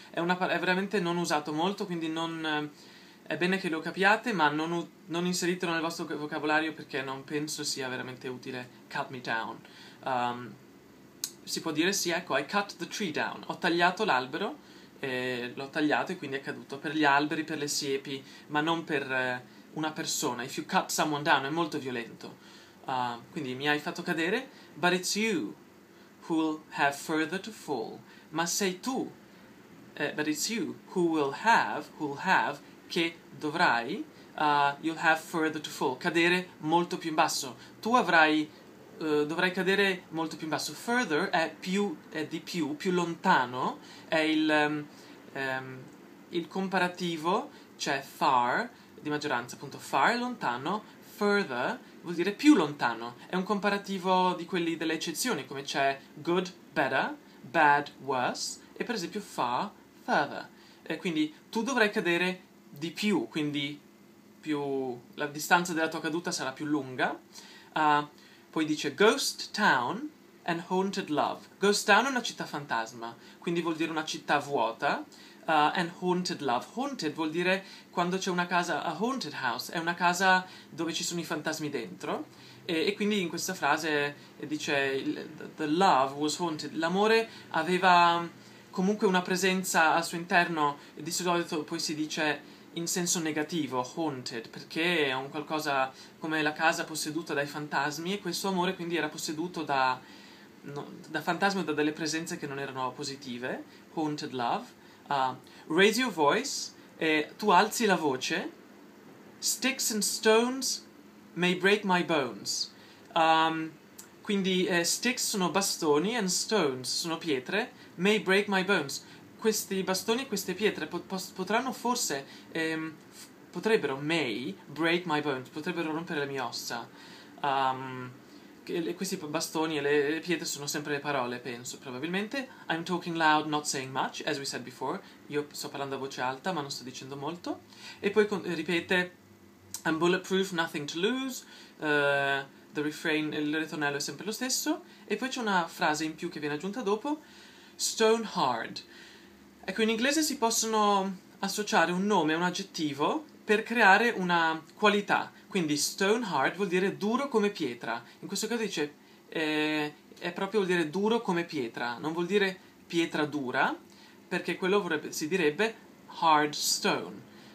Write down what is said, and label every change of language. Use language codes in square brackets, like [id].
[it] È veramente non usato molto, quindi non... È bene che lo capiate, ma non inseritelo nel vostro vocabolario perché non penso sia veramente utile. [en] Cut me down. [it] Si può dire sì, ecco, [en] I cut the tree down. [it] Ho tagliato l'albero, l'ho tagliato e quindi è caduto per gli alberi, per le siepi, ma non per una persona. [en] If you cut someone down, [it] è molto violento. Quindi mi hai fatto cadere, [en] but it's you who'll have further to fall. [it] Ma sei tu, [en] but it's you who'll have. [it] Che dovrai, [en] you'll have further to fall, [it] cadere molto più in basso. Tu avrai, dovrai cadere molto più in basso. Further è più, è di più, più lontano, è il comparativo, cioè far, di maggioranza, appunto, far è lontano, further vuol dire più lontano. È un comparativo di quelli delle eccezioni, come c'è good, better, bad, worse, e per esempio far, further. E quindi tu dovrai cadere di più, quindi la distanza della tua caduta sarà più lunga. Poi dice Ghost Town and Haunted Love. Ghost Town è una città fantasma, quindi vuol dire una città vuota. And Haunted Love. Haunted vuol dire quando c'è una casa, [en] a haunted house, [it] è una casa dove ci sono i fantasmi dentro. E quindi in questa frase dice [en] The love was haunted. [it] L'amore aveva comunque una presenza al suo interno, e di solito poi si dice in senso negativo, haunted, perché è un qualcosa come la casa posseduta dai fantasmi, e questo amore quindi era posseduto da, no, da fantasmi o da delle presenze che non erano positive. [en] Haunted love. Raise your voice, [it] tu alzi la voce. [en] Sticks and stones may break my bones. Quindi sticks [it] sono bastoni [en] and stones [it] sono pietre, [en] may break my bones. [it] Questi bastoni e queste pietre potranno forse, potrebbero, [en] may, break my bones, [it] potrebbero rompere le mie ossa. Questi bastoni e le pietre sono sempre le parole, penso, probabilmente. [en] I'm talking loud, not saying much, as we said before. [it] Io sto parlando a voce alta, ma non sto dicendo molto. E poi ripete, [en] I'm bulletproof, nothing to lose. The refrain, [it] il ritornello è sempre lo stesso. E poi c'è una frase in più che viene aggiunta dopo, stone hard. Ecco, in inglese si possono associare un nome, un aggettivo, per creare una qualità. Quindi stone hard vuol dire duro come pietra. In questo caso dice, è proprio vuol dire duro come pietra, non vuol dire pietra dura, perché quello vorrebbe, si direbbe hard stone.